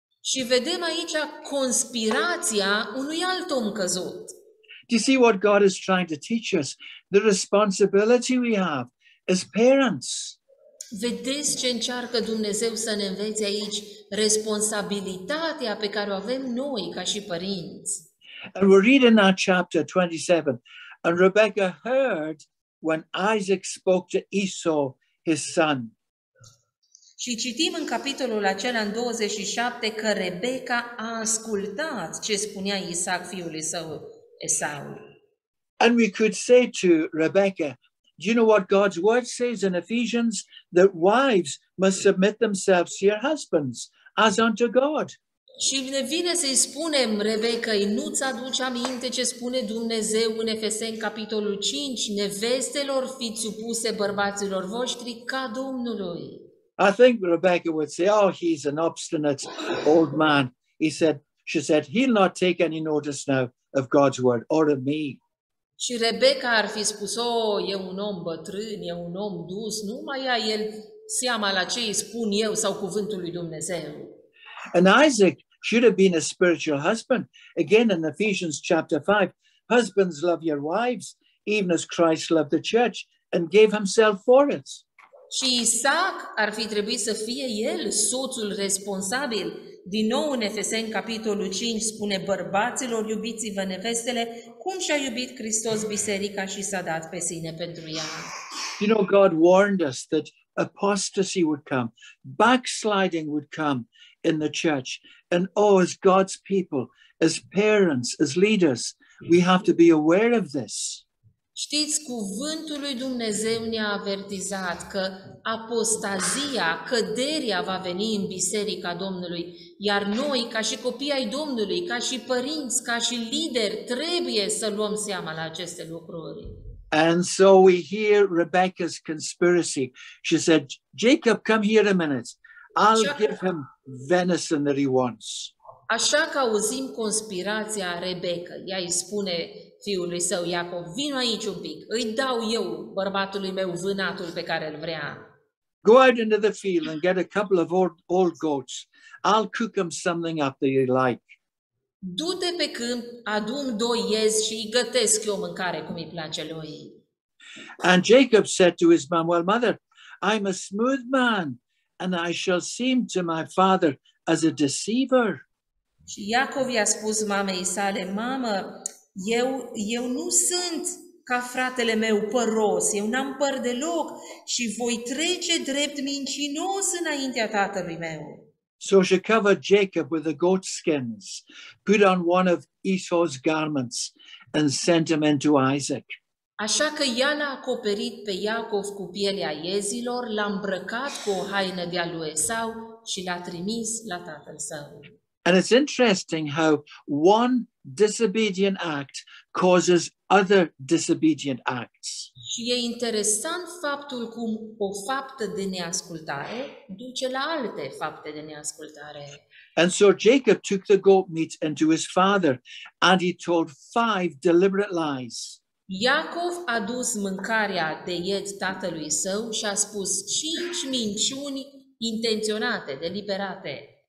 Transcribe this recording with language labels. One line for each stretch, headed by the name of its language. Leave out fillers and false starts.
Romanian: Și vedem aici conspirația unui alt om căzut.
English: Do you see what God is trying to teach us? The responsibility we have as parents.
Romanian: Vedeți ce încearcă Dumnezeu să ne învețe aici? Responsabilitatea pe care o avem noi ca și părinți.
English: And we read in our chapter 27, and Rebecca heard when Isaac spoke to Esau, his son.
Romanian: Și citim în capitolul acela în 27 că Rebecca a ascultat ce spunea Isaac fiului său.
English: And we could say to Rebecca, "Do you know what God's word says in Ephesians? That wives must submit themselves to your husbands, as unto God."
Romanian: Și ne vine să-i spunem, Rebecca, nu ți-aduci aminte ce spune Dumnezeu în Efeseni, capitolul 5, nevestelor fiți supuse bărbaților voștri ca Domnului.
English: I think Rebecca would say, "Oh, he's an obstinate old man." She said, "He'll not take any notice now of God's word or of me."
Romanian: Și Rebecca ar fi spus, "Oh, e un om bătrân, e un om dus, nu mai ia el seama la ce îi spun eu sau cuvântul lui Dumnezeu.
English: And Isaac should have been a spiritual husband. Again in Ephesians chapter 5, husbands love your wives, even as Christ loved the church and gave himself for it.
Romanian: Și Isaac ar fi trebuit să fie el soțul responsabil. Din nou în Efeseni capitolul 5 spune: bărbaților, iubiți-vă nevestele cum și-a iubit Hristos biserica și s-a dat pe sine pentru ea.
English: You know, God warned us that apostasy would come, backsliding would come in the church, and oh, as God's people, as parents, as leaders, we have to be aware of this.
Romanian: Știți, cuvântul lui Dumnezeu ne-a avertizat că apostazia, căderea va veni în biserica Domnului, iar noi, ca și copii ai Domnului, ca și părinți, ca și lideri, trebuie să luăm seama la aceste lucruri.
English: And so we hear Rebecca's conspiracy. She said, Jacob, come here a minute. I'll give him venison that he wants.
Romanian: Așa că auzim conspirația Rebecca. Ea îi spune fiului său Iacob, vino aici un pic, îi dau eu bărbatului meu vânatul pe care îl vrea.
English: Go out into the field and get a couple of old goats. I'll cook him something up that he like.
Romanian: Du-te pe câmp, adu-mi doi iezi și îi gătesc eu mâncare cum îi place lui.
English: And Jacob said to his mom, well, mother, I'm a smooth man and I shall seem to my father as a deceiver.
Romanian: Și Iacov i-a spus mamei sale, mamă, eu nu sunt ca fratele meu păros, eu n-am păr deloc și voi trece drept mincinos înaintea tatălui meu.
English: So she covered Jacob with the goat skins, put on one of Esau's garments and sent him into Isaac.
Romanian: Așa că ea l-a acoperit pe Iacov cu pielea iezilor, l-a îmbrăcat cu o haină de-a lui Esau și l-a trimis la tatăl său.
English: And it's interesting how one disobedient act causes other disobedient acts.
Romanian: Și e interesant faptul cum o faptă de neascultare duce la alte fapte de neascultare.
English: And so Jacob took the goat meat into his father and he told 5 deliberate lies.
Romanian: Iacov a dus mâncarea de iet tatălui său și a spus 5 minciuni intenționate, deliberate.